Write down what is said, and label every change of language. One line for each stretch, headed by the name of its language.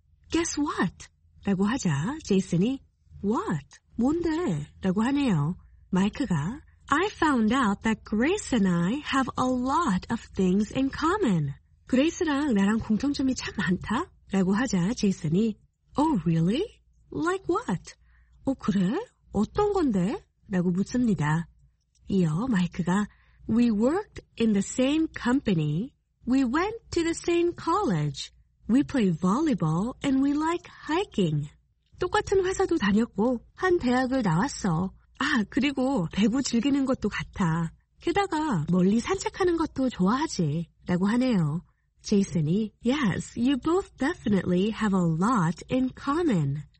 English: Guess what?
Korean: 라고 하자 제이슨이 What? 뭔데? 라고 하네요.
English: 마이크가 I found out that Grace and I have a lot of things in common.
Korean: 그레이스랑 나랑 공통점이 참 많다? 라고 하자 제이슨이
English: Oh, really? Like what?
Korean: 어, 그래? 어떤 건데? 라고 묻습니다. 이어 마이크가
English: We worked in the same company. We went to the same college. We play volleyball and we like hiking.
Korean: 똑같은 회사도 다녔고 한 대학을 나왔어. 아, 그리고 배구 즐기는 것도 같아. 게다가 멀리 산책하는 것도 좋아하지. 라고 하네요.
English: 제이슨이 Yes, you both definitely have a lot in common.